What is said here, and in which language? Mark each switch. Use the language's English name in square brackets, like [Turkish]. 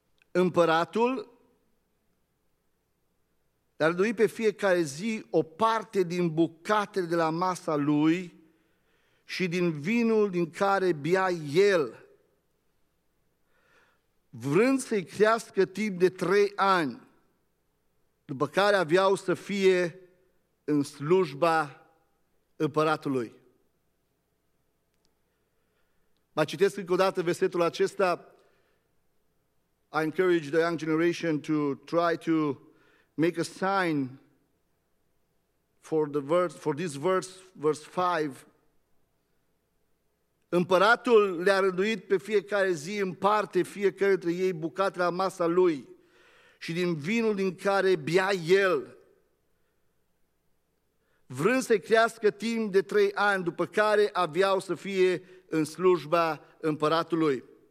[Romanian] Împăratul dar dui pe fiecare zi o parte din bucatele de la masa lui și din vinul din care bea el, vrând să-i crească timp de 3 ani, după care aveau să fie în slujba împăratului. Mai citesc încă o dată versetul acesta. [English] I encourage the young generation to try to make a sign for this verse 5. [Romanian] Împăratul le-a rânduit pe fiecare zi în parte fiecare dintre ei bucate la masa lui și din vinul din care bea el, vrând să crească timp de 3 ani, după care aveau să fie în slujba împăratului.